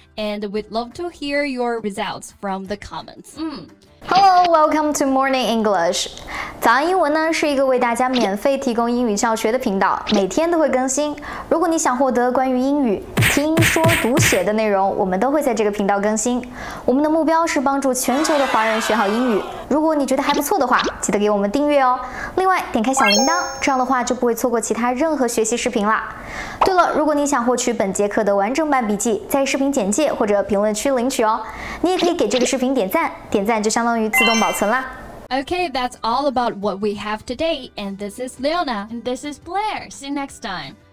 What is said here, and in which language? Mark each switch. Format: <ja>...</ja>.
<en>And we'd love to hear your results from the comments. Hello, welcome to Morning English.</en> <zh>早安英文呢是一个为大家免费提供英语教学的频道，每天都会更新。如果你想获得关于英语听说读写的内容，我们都会在这个频道更新。我们的目标是帮助全球的华人学好英语。如果你觉得还不错的话，记得给我们订阅哦。另外，点开小铃铛，这样的话就不会错过其他任何学习视频啦。对了，如果你想获取本节课的完整版笔记，在视频简介或者评论区领取哦。你也可以给这个视频点赞，点赞就相当于自动保存啦。</zh> <en>Okay, that's all about what we have today. And this is Leona. And this is Blair. See you next time.</en>